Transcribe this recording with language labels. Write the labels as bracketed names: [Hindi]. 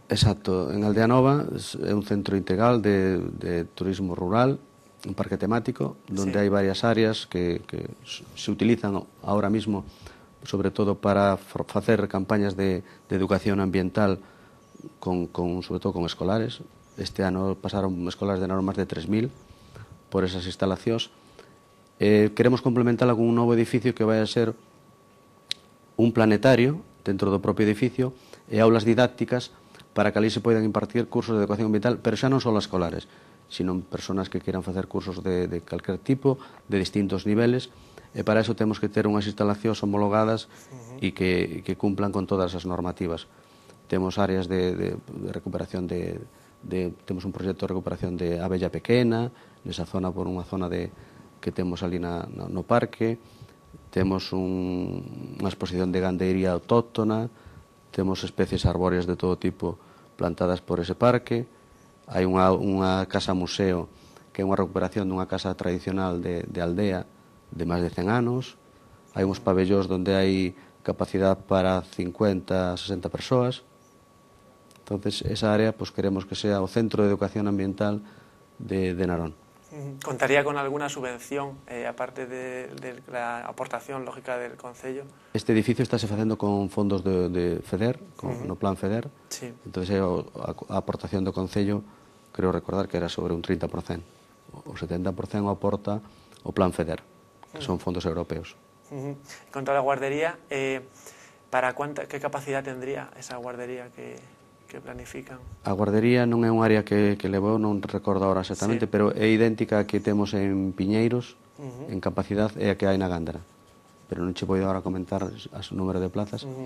[Spanish] Exacto, en Aldea Nova es un centro integral de turismo rural, un parque temático, donde hay varias áreas que se utilizan ahora mismo, sobre todo para hacer campañas de educación ambiental, sobre todo con escolares. [Galician] Este ano pasaron escolares de Narón máis de 3.000 por esas instalacións. Queremos complementarla con un novo edificio que vai a ser un planetario dentro do propio edificio e aulas didácticas para que ali se poidan impartir cursos de educación ambiental, pero xa non só escolares, sino personas que queiran facer cursos de calquer tipo, de distintos niveles, e para iso temos que ter unhas instalacións homologadas e que cumplan con todas as normativas. Temos áreas de recuperación temos un proxecto de recuperación de abella pequena, nesa zona por unha zona que temos ali no parque, temos unha exposición de gandeiría autóctona, temos especies arbóreas de todo tipo plantadas por ese parque, hai unha casa-museo que é unha recuperación dunha casa tradicional de aldea de máis de 100 anos, hai uns pabellóns onde hai capacidade para 50, 60 persoas. Entón, esa área queremos que sea o centro de educación ambiental de Narón. [Spanish] ¿Contaría con alguna subvención, aparte de la aportación lógica del concello? [Galician] Este edificio está se facendo con fondos de FEDER, con no plan FEDER. Sí. Entonces, a aportación do concello, creo recordar que era sobre un 30%. O 70% aporta o plan FEDER, que son fondos europeos. [Spanish] Contra la guardería, ¿para cuánta, qué capacidad tendría esa guardería que... que planifican? [Galician] A guardería non é un área que levo, non recordo agora exactamente, sí, pero é idéntica a que temos en Piñeiros, en capacidade, e a que hai na Gándara. Pero non che podo agora comentar as número de plazas.